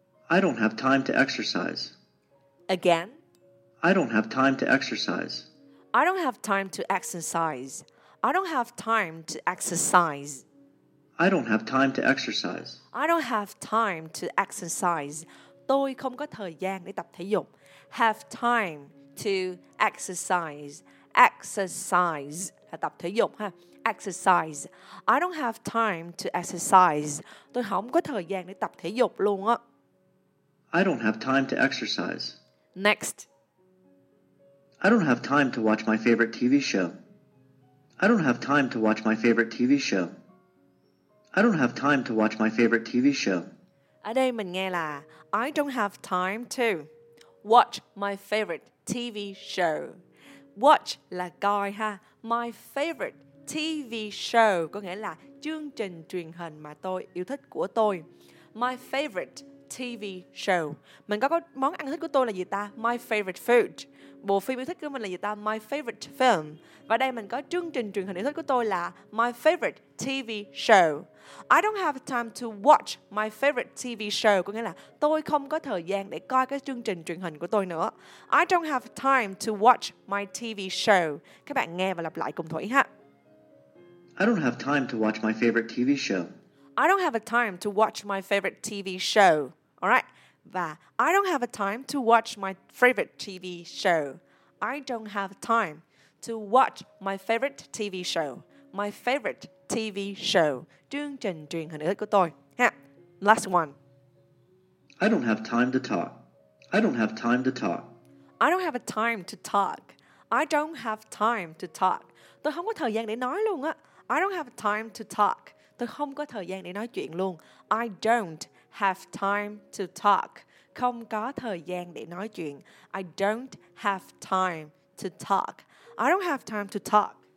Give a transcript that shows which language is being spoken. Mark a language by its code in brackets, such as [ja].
[en] I don't have time to exercise. Again. I don't have time to exercise. I don't have time to exercise. I don't have time to exercise. I don't have time to exercise. I don't have time to exercise. [vi] Tôi không có thời gian để tập thể dục. [en] Have time to exercise. [vi] Exercise là tập thể dục ha. [en] Exercise. I don't have time to exercise. [vi] Tôi không có thời gian để tập thể dục luôn á. [en] I don't have time to exercise. Next. I don't have time to watch my favorite TV show. I don't have time to watch my favorite TV show. I don't have time to watch my favorite TV show. [vi] Ở đây mình nghe là [en] I don't have time to watch my favorite TV show. [vi] Watch là coi ha. [en] My favorite TV show [vi] có nghĩa là chương trình truyền hình mà tôi yêu thích của tôi. [en] My favorite TV show. [vi] Mình có món ăn thích của tôi là gì ta? [en] My favorite food. [vi] Bộ phim yêu thích của mình là gì ta? [en] My favorite film. [vi] Và đây mình có chương trình truyền hình yêu thích của tôi là [en] my favorite TV show. I don't have time to watch my favorite TV show. [vi] Có nghĩa là tôi không có thời gian để coi cái chương trình truyền hình của tôi nữa. [en] I don't have time to watch my TV show. [vi] Các bạn nghe và lặp lại cùng Thủy ha. [en] I don't have time to watch my favorite TV show. I don't have a time to watch my favorite TV show. All right? Và I don't have a time to watch my favorite TV show. I don't have time to watch my favorite TV show. My favorite TV show. [vi] Chương trình truyền hình yêu thích của tôi. [en] Ha. Last one. I don't have time to talk. I don't have time to talk. I don't have a time to talk. I don't have time to talk. [vi] Tôi không có thời gian để nói luôn á. [en] I don't have time to talk. [vi] Tôi không có thời gian để nói chuyện luôn. [en] I don't have time to talk. [vi] Không có thời gian để nói chuyện. [en] I don't have time to talk. I don't have time to talk.